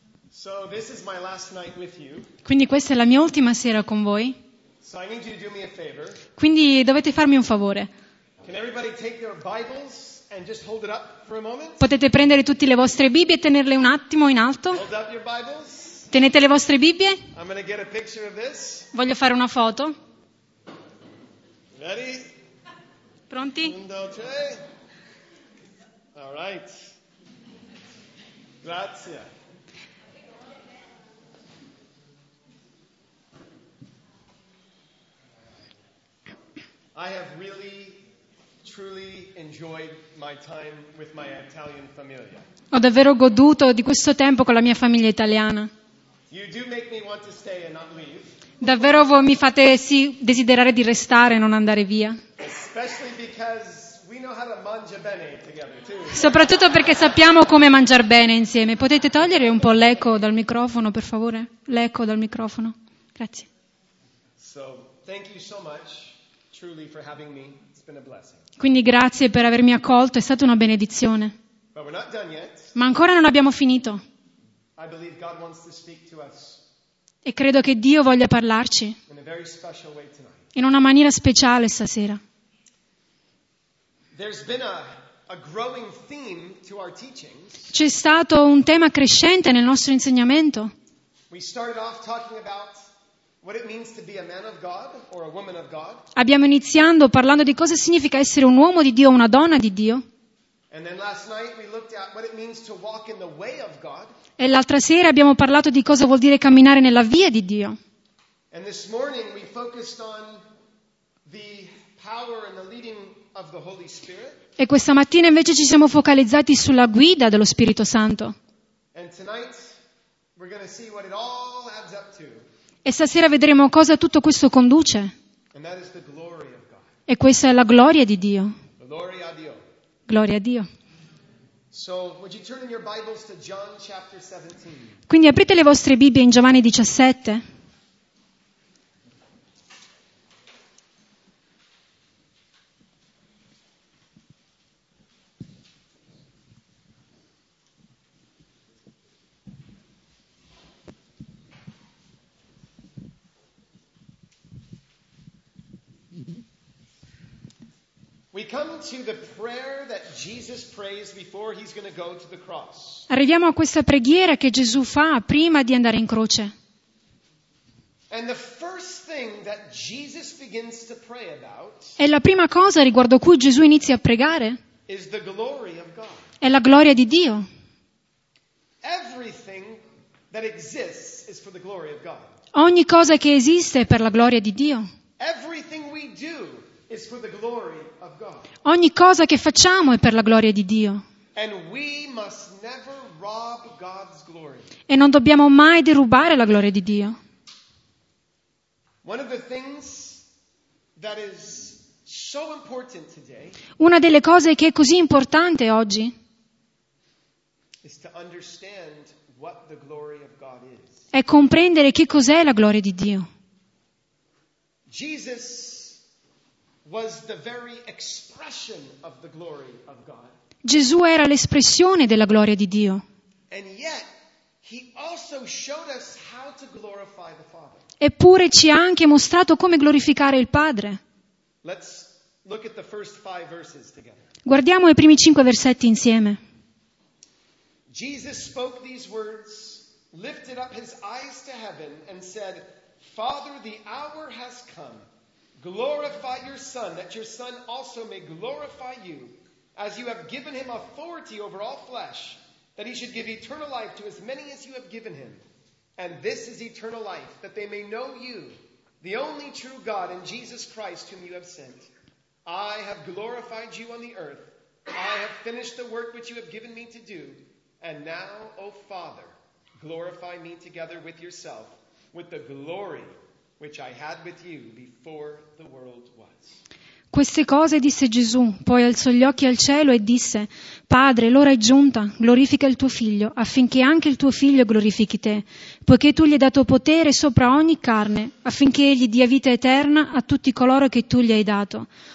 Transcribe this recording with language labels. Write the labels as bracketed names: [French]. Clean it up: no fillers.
[English] So this is my last night with you. [Italian] Quindi questa è la mia ultima sera con voi. [English] So I need you to do me a favor. [Italian] Quindi dovete farmi un favore. [English] Can everybody take their Bibles and just hold it up for a moment? [Italian] Potete prendere tutte le vostre Bibbie e tenerle un attimo in alto? [English] Hold up your Bibles. [Italian] Tenete le vostre Bibbie? [English] I'm gonna get a picture of this. [Italian] Voglio fare una foto. [English] Ready? [Italian] Pronti? [English] All right. [Italian] Grazie. [English] I have really, truly enjoyed my time with my Italian famiglia. [Italian] Ho davvero goduto di questo tempo con la mia famiglia italiana. [English] You do make me want to stay and not leave. [Italian] Davvero mi fate sì desiderare di restare e non andare via. [English] Especially because we know how to [Italian] mangia bene [English] together too. [Italian] Soprattutto perché sappiamo come mangiare bene insieme. Potete togliere un po' l'eco dal microfono, per favore? L'eco dal microfono. Grazie. [English] So, thank you so much. Truly for having me. It's been a blessing. [Italian] Quindi grazie per avermi accolto, è stata una benedizione. [English] But we're not done yet. [Italian] Ma ancora non abbiamo finito. [English] I believe God wants to speak to us. [Italian] E credo che Dio voglia parlarci. [English] In a very special way tonight. [Italian] In una maniera speciale stasera. [English] There's been a growing theme to our teachings. [Italian] C'è stato un tema crescente nel nostro insegnamento. [English] We started off talking about what it means to be a man of God or a woman of God. [Italian] Abbiamo iniziando parlando di cosa significa essere un uomo di Dio o una donna di Dio. [English] And then last night we looked at what it means to walk in the way of God. [Italian] E l'altra sera abbiamo parlato di cosa vuol dire camminare nella via di Dio. [English] And this morning we focused on the power and the leading of the Holy Spirit. [Italian] E questa mattina invece ci siamo focalizzati sulla guida dello Spirito Santo. [English] And tonight we're going to see what it all adds up to. [Italian] E stasera vedremo cosa tutto questo conduce. [English] And that is the glory of God. [Italian] E questa è la gloria di Dio. Gloria a Dio. Gloria a Dio. [English] So, would you turn in your Bibles to John chapter 17? [Italian] Quindi aprite le vostre Bibbie in Giovanni 17. [English] We come to the prayer that Jesus prays before he's going to go to the cross. [Italian] Arriviamo a questa preghiera che Gesù fa prima di andare in croce. [English] And the first thing that Jesus begins to pray about. [Italian] E la prima cosa riguardo cui Gesù inizia a pregare. [English] Is the glory of God. [Italian] È la gloria di Dio. [English] Everything that exists is for the glory of God. [Italian] Ogni cosa che esiste è per la gloria di Dio. [English] Everything we do. It's for the glory of God. [Italian] Ogni cosa che facciamo è per la gloria di Dio. [English] And we must never rob God's glory. [Italian] E non dobbiamo mai derubare la gloria di Dio. [English] One of the things that is so important today. [Italian] Una delle cose che è così importante oggi. [English] Is to understand what the glory of God is. [Italian] È comprendere che cos'è la gloria di Dio. [English] Jesus was the very expression of the glory of God. [Italian] Gesù era l'espressione della gloria di Dio. [English] And yet, he also showed us how to glorify the Father. [Italian] Eppure ci ha anche mostrato come glorificare il Padre. [English] Let's look at the first five verses together. [Italian] Guardiamo i primi cinque versetti insieme. [English] Jesus spoke these words, lifted up his eyes to heaven, and said, Father, the hour has come. Glorify your son, that your son also may glorify you, as you have given him authority over all flesh, that he should give eternal life to as many as you have given him. And this is eternal life, that they may know you, the only true God, and Jesus Christ, whom you have sent. I have glorified you on the earth. I have finished the work which you have given me to do. And now, O Father, glorify me together with yourself, with the glory which I had with you before the world was. [Italian] Queste cose disse Gesù, poi alzò gli occhi al cielo e disse: Padre, l'ora è giunta, glorifica il tuo figlio, affinché anche il tuo figlio glorifichi te, poiché tu gli hai dato potere sopra ogni carne, affinché egli dia vita eterna a tutti coloro che tu gli hai dato.